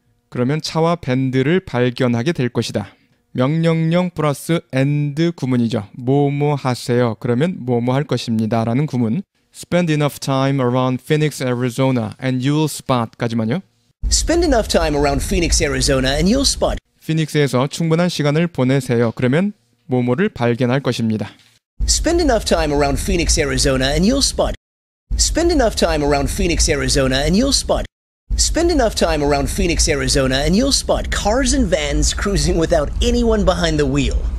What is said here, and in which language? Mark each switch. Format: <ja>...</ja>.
<ko>그러면 차와 밴드를 발견하게 될 것이다. 명령령 플러스 and 구문이죠. 뭐뭐 하세요. 그러면 뭐뭐 할 것입니다. 라는 구문.</ko> <en>Spend enough time around Phoenix, Arizona, and you'll spot.</en> <ko>까지만요.</ko> <en>Spend enough time around Phoenix, Arizona, and you'll spot.</en> <ko>피닉스에서 충분한 시간을 보내세요. 그러면 뭐뭐를 발견할 것입니다.</ko> <en>Spend enough time around Phoenix, Arizona, and you'll spot. Spend enough time around Phoenix, Arizona, and you'll spot. Spend enough time around Phoenix, Arizona, and you'll spot cars and vans cruising without anyone behind the wheel.</en>